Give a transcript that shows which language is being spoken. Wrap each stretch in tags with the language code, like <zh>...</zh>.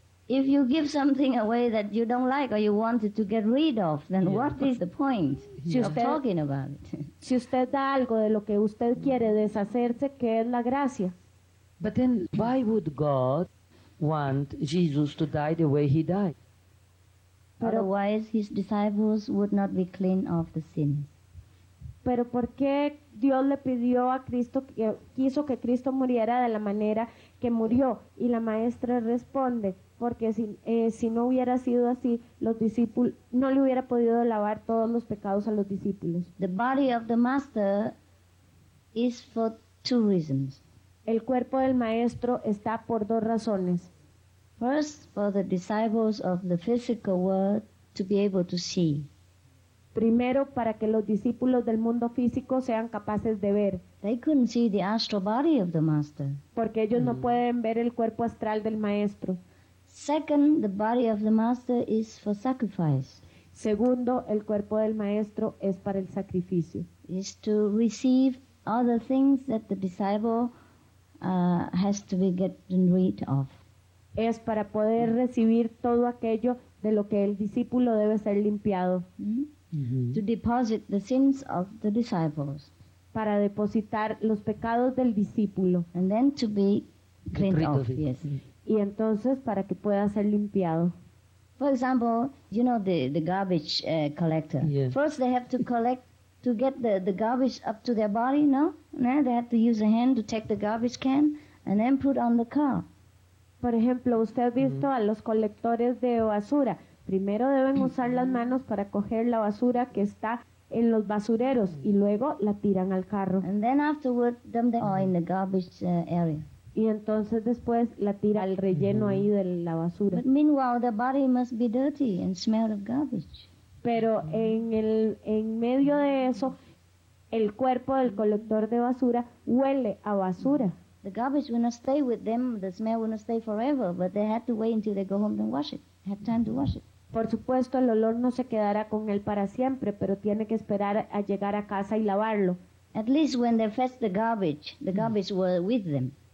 <en>If you give something away that you don't like or you wanted to get rid of, then what is the point of talking about it?</en> <es>Si usted da algo de lo que usted quiere deshacerse, ¿qué es la gracia?</es> <en>But then, why would God want Jesus to die the way he died?</en> <es>Pero,</es> <en>otherwise, his disciples would not be clean of the sin.</en> <es>Pero ¿por qué Dios le pidió a Cristo, quiso que Cristo muriera de la manera que murió? Y la maestra responde, porque si no hubiera sido así, los discípulos no le hubiera podido lavar todos los pecados a los discípulos.</es> <en>The body of the master is for two reasons.</en> <es>El cuerpo del maestro está por dos razones.</es> <en>First, for the disciples of the physical world to be able to see.</en> <es>Primero, para que los discípulos del mundo físico sean capaces de ver.</es> <en>They couldn't see the astral body of the master.</en> <es>Porque ellos no pueden ver el cuerpo astral del maestro.</es> <en>Second, the body of the master is for sacrifice.</en> <es>Segundo, el cuerpo del maestro es para el sacrificio.</es> <en>Is to receive all the things that the disciple has to be getting rid of.</en> <es>Es para poder recibir todo aquello de lo que el discípulo debe ser limpiado.</es> <en>To deposit the sins of the disciples.</en> <es>Para depositar los pecados del discípulo.</es> <en>And then to be cleaned off. Yes.</en> <es>Y entonces para que pueda ser limpiado.</es> <en>For example, you know the garbage collector. Yes. First they have to collect to get the garbage up to their body, no? Now they have to use a hand to take the garbage can and then put on the car.</en> <es>Por ejemplo, usted ha visto a los colectores de basura. Primero deben usar las manos para coger la basura que está en los basureros y luego la tiran al carro.</es> <en>And then afterward dump them all in the garbage area.</en> <es>Y entonces después la tira al relleno ahí de la basura.</es> <en>But meanwhile, the body must be dirty and smell of garbage.</en> <es>Pero en medio de eso, el cuerpo del colector de basura huele a basura.</es> <en>The garbage will not stay with them, the smell will not stay forever, but they have to wait until they go home and wash it. Have time to wash it.</en> <es>Por supuesto, el olor no se quedará con él para siempre, pero tiene que esperar a llegar a casa y lavarlo.</es> <en>At least when they fetch the garbage was with them.</en>